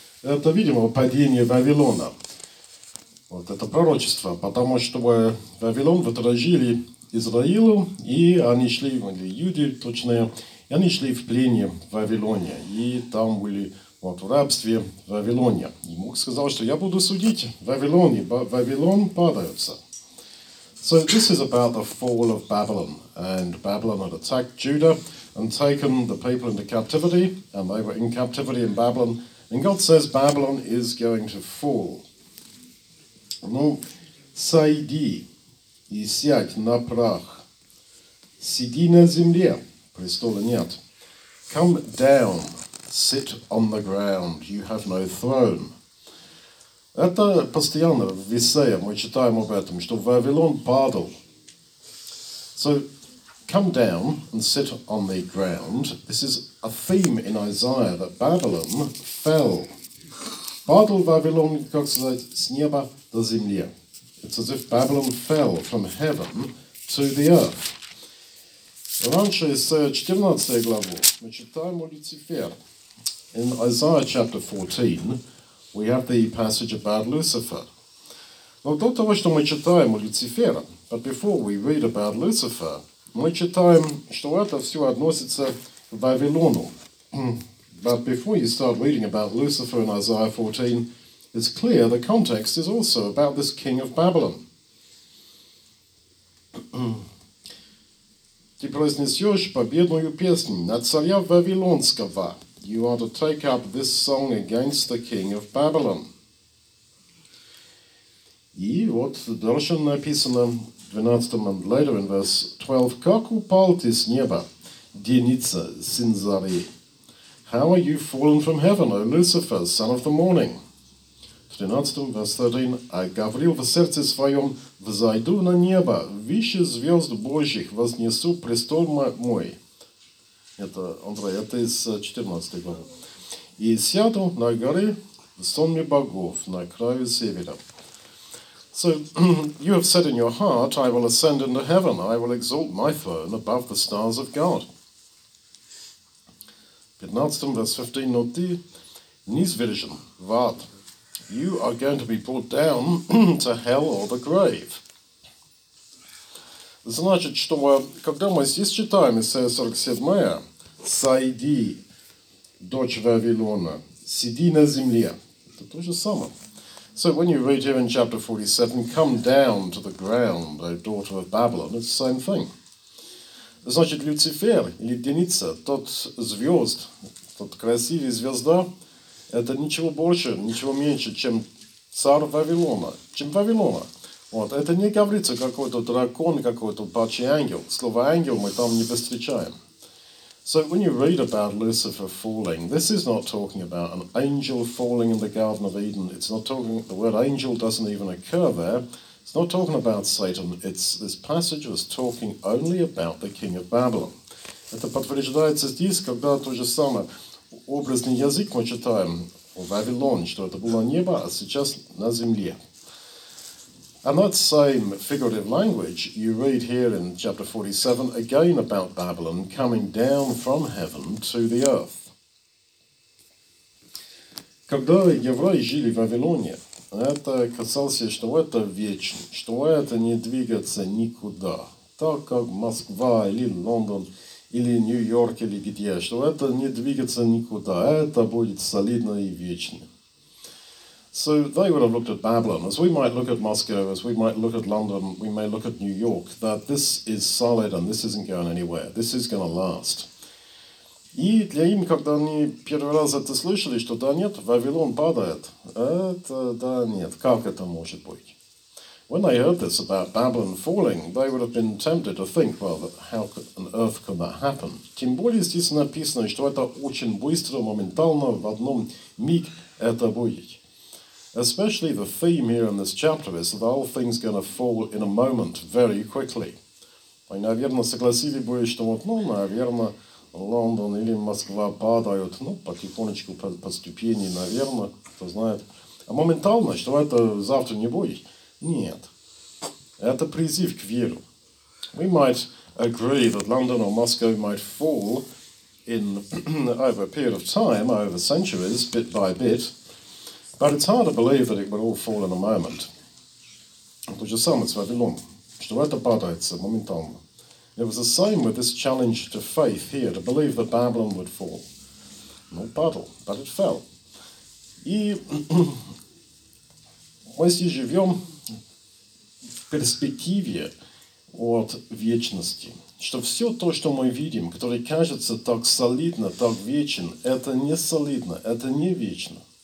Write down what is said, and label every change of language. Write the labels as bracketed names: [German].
[Russian] Это, видимо, падение Вавилона. Вот, это пророчество. Потому что Вавилон возродили Израилу, и они шли, или иудеи точные, и они шли в плене в Вавилоне. И там были вот, в рабстве в Вавилоне. И Бог сказал, что я буду судить в Вавилоне. Вавилон падается. [English] So this is about the fall of Babylon. And Babylon had attacked Judah and taken the people into captivity. And they were in captivity in Babylon. And God says Babylon is going to fall. [Russian] Ну, сойди и сядь на прах. Сиди на земле. Престола нет. [English] Come down, sit on the ground. You have no throne. [Russian] Это постоянно в Исаии мы читаем об этом, что Вавилон падал. [English] So, come down and sit on the ground. This is a theme in Isaiah that Babylon fell. [Russian] Падал Вавилон, как сказать, с неба до земли. [English] It's as if Babylon fell from heaven to the earth. [Russian] Раньше из 14 главы мы читаем о Люцифере. [English] In Isaiah chapter 14, we have the passage about Lucifer. [Russian] Но до того, что мы читаем о Люцифере, [English] but before we read about Lucifer, [Russian] мы читаем, что это все относится к Вавилону. [English] But before you start reading about Lucifer in Isaiah 14, it's clear the context is also about this king of Babylon. [Russian] Ты произнесешь победную песнь на царя Вавилонского. [English] You are to take up this song against the king of Babylon. [Russian] И вот дальше написано в 12-м [English] and later in verse 12. [Russian] Как упал ты с неба, Деница, сын зари? [English] How are you fallen from heaven, O Lucifer, son of the morning? 13-м, verse 13. [Russian] А Гавриил в сердце своем взойду на небо, выше звезд Божьих вознесу престол мой. Это, Андрей, это из 14 главы. И сяду на горы в сонме богов, на краю севера. [English] So, you have said in your heart, I will ascend into heaven, I will exalt my throne above the stars of God. [Russian] 15, [English] verse 15, [Russian] но ты низвержен в ад. [English] You are going to be brought down to hell or the grave. [Russian] Значит, что когда мы здесь читаем Исайя 47, сойди, дочь Вавилона, сиди на земле. Это то же самое. [English] So when you read here in chapter 47, come down to the ground, O daughter of Babylon, it's the same thing. [Russian] Значит, Люцифер или Деница, тот звезд, тот красивый звезда, это ничего больше, ничего меньше, чем царь Вавилона. Чем Вавилона. Вот, это не говорится какой-то дракон, какой-то падший ангел. Слово ангел мы там не встречаем. [English] So when you read about Lucifer falling, this is not talking about an angel falling in the Garden of Eden. It's not talking, the word angel doesn't even occur there. It's not talking about Satan. It's, this passage was talking only about the king of Babylon. [Russian] Это подтверждается здесь, когда то же самое образный язык мы читаем в Вавилоне, что это было небо, а сейчас на земле. [English] And that same figurative language you read here in chapter 47 again about Babylon coming down from heaven to the earth. [Russian] Когда евреи жили в Вавилоне, это касалось, что это вечно, что это не двигаться никуда, так как Москва или Лондон, или Нью-Йорк, или где, что это не двигаться никуда, это будет солидно и вечно. [English] So they would have looked at Babylon, as we might look at Moscow, as we might look at London, we may look at New York, that this is solid and this isn't going anywhere, this is going to last. [Russian] И для им, когда они первый раз это слышали, что да нет, Вавилон падает, это да нет, как это может быть? [English] When they heard this about Babylon falling, they would have been tempted to think, well, how on earth could that happen? [Russian] Тем более здесь написано, что это очень быстро, моментально, в одном миг это будет. [English] Especially the theme here in this chapter is that all things going to fall in a moment, very quickly. [Russian] Вы, наверное, согласились бы, что вот, ну, наверное, Лондон или Москва падают, ну, потихонечку, по ступени, наверное, кто знает. А моментально, что это завтра не будет? Нет. Это призыв к веру. [English] We might agree that London or Moscow might fall in over a period of time, over centuries, bit by bit. But it's hard to believe that it would all fall in a moment. [Russian] То же самое с Вавилоном, что это падается моментально. [English] It was the same with this challenge to faith here, to believe that Babylon would fall. [Russian] Ну, падал, [English] but it fell. [Russian] И мы здесь живем в перспективе от вечности. Что все то, что мы видим, которое кажется так солидно, так вечен, это не солидно, это не вечно.